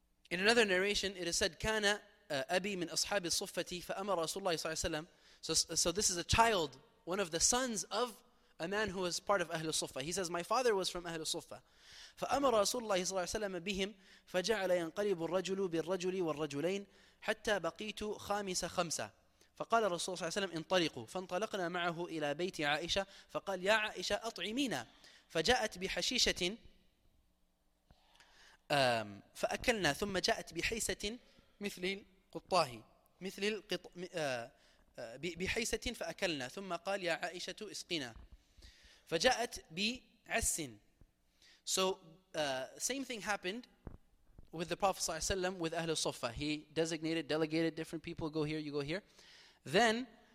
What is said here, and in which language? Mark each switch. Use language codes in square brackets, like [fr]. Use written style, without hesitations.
[en] In another narration, it is said, [ar] كَانَ أَبِي مِنْ أَصْحَابِ الصُّفَّةِ فَأَمَرَ رَسُولُ اللَّهِ صَلَى اللَّهِ عَلَيْهِ وَسَلَّمَ. [en] So this is a child, one of the sons of a man who was part of Ahlul Suffah. He says, my father was from Ahlul Suffah. [ar] فأمر رسول الله صلى الله عليه وسلم بهم فجعل ينقلب الرجل بالرجل والرجلين حتى بقيت خامس خمسة. فقال الرسول صلى الله عليه وسلم انطلقوا فانطلقنا معه إلى بيت عائشة فقال يا عائشة أطعمينا فجاءت بحشيشة فأكلنا ثم جاءت بحيسة مثل القطاه مثل القط بحيسة فأكلنا ثم قال يا عائشة اسقنا فجاءت بعس [en] so same thing happened with the Prophet [ar] صلى الله عليه وسلم with أهل الصفة [en] he designated delegated different people go here you go here then